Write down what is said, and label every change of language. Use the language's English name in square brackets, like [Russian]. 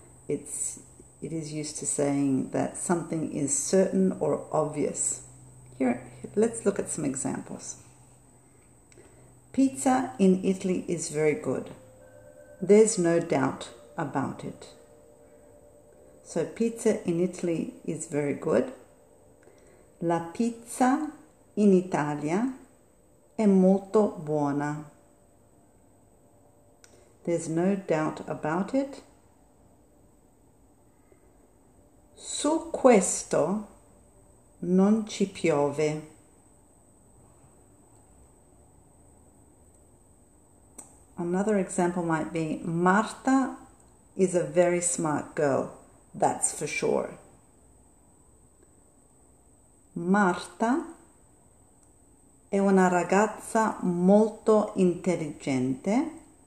[English] It is used to saying that something is certain or obvious. Here, let's look at some examples. Pizza in Italy is very good. There's no doubt about it. So pizza in Italy is very good. [Italian] La pizza in Italia è molto buona. [English] There's no doubt about it. [Italian] Su questo non ci piove. [English] Another example might be, Marta is a very smart girl, that's for sure. [Italian] Marta è una ragazza molto intelligente.